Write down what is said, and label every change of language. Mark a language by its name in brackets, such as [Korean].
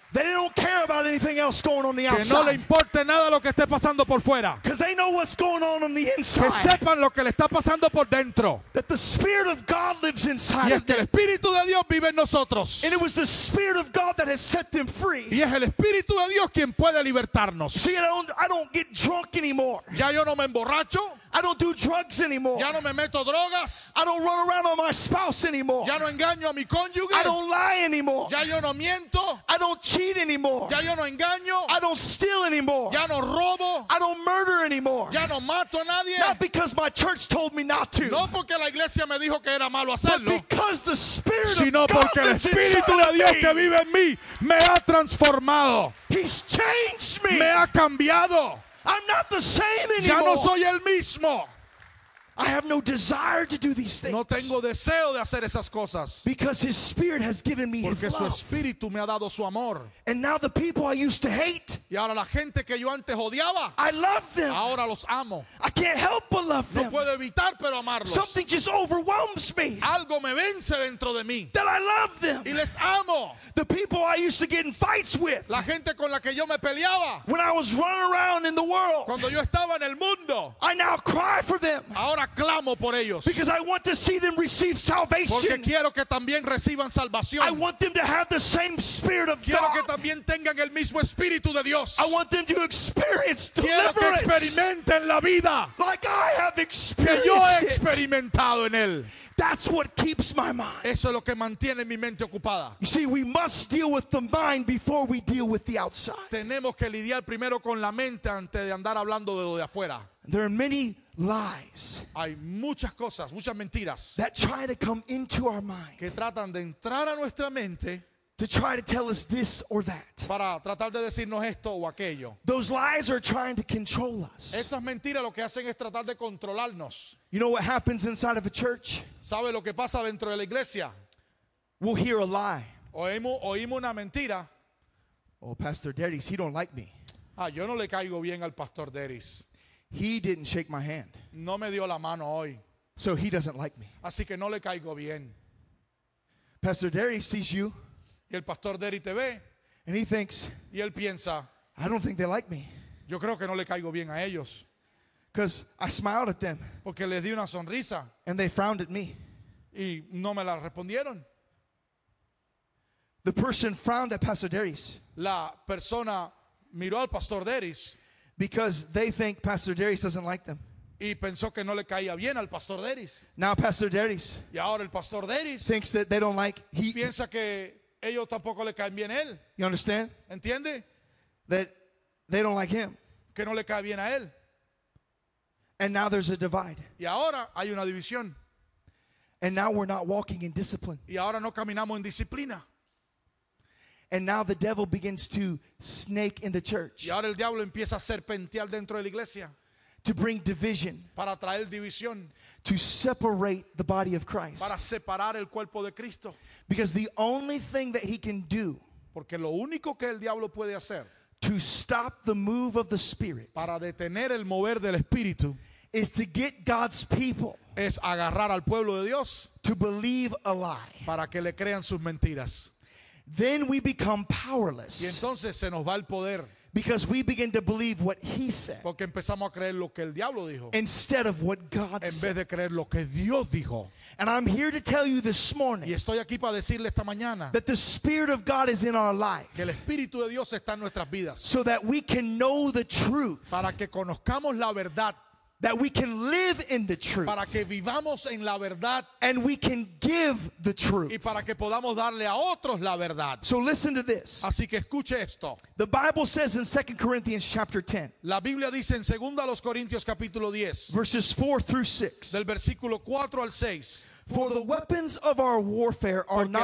[English] That they don't care about anything else going on the outside. [Spanish] Que no le importe nada lo que esté pasando por fuera. [English] Because they know what's going on the inside. [Spanish] Que sepan lo que le está pasando por dentro. [English] That the Spirit of God lives inside. [Spanish] Y es que el Espíritu de Dios vive en nosotros. [English] And it was the Spirit of God that has set them free. [Spanish] Y es el Espíritu de Dios quien puede libertarnos. [English] See, I don't get drunk anymore. [Spanish] Ya yo no me emborracho. [English] I don't do drugs anymore. [Spanish] Ya no me meto drogas. [English] I don't run around on my spouse anymore. [Spanish] Ya no engaño a mi cónyuge. [English] I don't lie anymore. [Spanish] Ya yo no miento. [English] I don't cheat anymore. [Spanish] Ya yo no engaño. [English] I don't steal anymore. [Spanish] Ya no robo. [English] I don't murder anymore. [Spanish] Ya no mato a nadie. [English] Not because my church told me not to. [Spanish] No porque la iglesia me dijo que era malo hacerlo. [English] But because the Spirit of God, [Spanish] sino porque el Espíritu de Dios que vive en mí me ha transformado. [English] He's changed me. [Spanish] Me ha cambiado. [English] I'm not the same anymore. [Spanish] Ya no soy el mismo. [English] I have no desire to do these things. [Spanish] No tengo deseo de hacer esas cosas. [English] Because his spirit has given me [Spanish] Porque [English] his [Spanish] su espíritu [English] love. [Spanish] Me ha dado su amor. [English] And now the people I used to hate. [Spanish] Y ahora la gente que yo antes odiaba, [English] I love them. [Spanish] Ahora los amo. [English] I can't help but love [Spanish] no [English] them. [Spanish] Puedo evitar pero amarlos. [English] Something just overwhelms me. [Spanish] Algo me vence dentro de mí. [English] That I love them. [Spanish] Y les amo. [English] The people I used to get in fights with. [Spanish] La gente con la que yo me peleaba. [English] When I was running around in the world. [Spanish] Cuando yo estaba en el mundo. [English] I now cry for them. [Spanish] Ahora clamo por ellos. [English] Because I want to see them receive salvation. [Spanish] Porque quiero que también reciban salvación. [English] I want them to have the same spirit of [Spanish] quiero [English] God. [Spanish] Que también tengan el mismo espíritu de Dios. [English] I want them to experience [Spanish] quiero [English] deliverance. [Spanish] Que experimenten la vida. [English] Like I have experienced [Spanish] que yo he experimentado [English] it. [Spanish] En él. [English] That's what keeps my mind. [Spanish] Eso es lo que mantiene mi mente ocupada. [English] You see, we must deal with the mind before we deal with the outside. [Spanish] Tenemos que lidiar primero con la mente antes de andar hablando de lo de afuera. [English] There are many lies. [Spanish] Hay muchas cosas, muchas mentiras. [English] That try to come into our mind. [Spanish] Que tratan de entrar a nuestra mente. [English] To try to tell us this or that. [Spanish] Para tratar de decirnos esto o aquello. [English] Those lies are trying to control us. [Spanish] Esas mentiras lo que hacen es tratar de controlarnos. [English] You know what happens inside of a church? [Spanish] ¿Sabe lo que pasa dentro de la iglesia? [English] We'll hear a lie. [Spanish] Oímos una mentira. [English] Oh, Pastor Deris, he don't like me. [Spanish] Ah, yo no le caigo bien al Pastor Deris. [English] He didn't shake my hand. [Spanish] No me dio la mano hoy. [English] So he doesn't like me. [Spanish] Así que no le caigo bien. [English] Pastor Derry sees you. [Spanish] Y el Pastor Derry te ve. [English] And he thinks. [Spanish] Y él piensa. [English] I don't think they like me. [Spanish] Yo creo que no le caigo bien a ellos. [English] Because I smiled at them. [Spanish] Porque les di una sonrisa. [English] And they frowned at me. [Spanish] Y no me la respondieron. [English] The person frowned at Pastor Derry. [Spanish] La persona miró al Pastor Derry. [English] Because they think Pastor Deris doesn't like them. [Spanish] Y pensó que no le caía bien al Pastor Deris. [English] Now Pastor Deris. [Spanish] Y ahora el Pastor Deris. [English] Thinks that they don't like. He [Spanish] piensa que ellos tampoco le caen bien a él. [English] You understand? [Spanish] Entiende? [English] That they don't like him. [Spanish] Que no le cae bien a él. [English] And now there's a divide. [Spanish] Y ahora hay una división. [English] And now we're not walking in discipline. [Spanish] Y ahora no caminamos en disciplina. [English] And now the devil begins to snake in the church. [Spanish] Y ahora el diablo empieza a serpentear dentro de la iglesia. [English] To bring division. [Spanish] Para traer división. [English] To separate the body of Christ. [Spanish] Para separar el cuerpo de Cristo. [English] Because the only thing that he can do. [Spanish] Porque lo único que el diablo puede hacer. [English] To stop the move of the Spirit. [Spanish] Para detener el mover del Espíritu. [English] Is to get God's people. [Spanish] Es agarrar al pueblo de Dios. [English] To believe a lie. [Spanish] Para que le crean sus mentiras. [English] Then we become powerless. [Spanish] Y entonces se nos va el poder. [English] Because we begin to believe what he said. [Spanish] Porque empezamos a creer lo que el diablo dijo. [English] Instead of what God [Spanish] en vez de creer lo que Dios dijo. [English] And I'm here to tell you this morning. [Spanish] Y estoy aquí para decirle esta mañana. [English] That the Spirit of God is in our life. [Spanish] Que el Espíritu de Dios está en nuestras vidas. [English] So that we can know the truth. [Spanish] Para que conozcamos la verdad. [English] That we can live in the truth. [Spanish] Para que vivamos en la verdad. [English] And we can give the truth. [Spanish] Y para que podamos darle a otros la verdad. [English] So listen to this. [Spanish] Así que escuche esto. [English] The Bible says in 2 Corinthians chapter 10. [Spanish] La Biblia dice en 2 a los Corintios capítulo 10. [English] Verses 4 through 6. [Spanish] Del versículo 4 al 6. [English] For the weapons of our warfare are not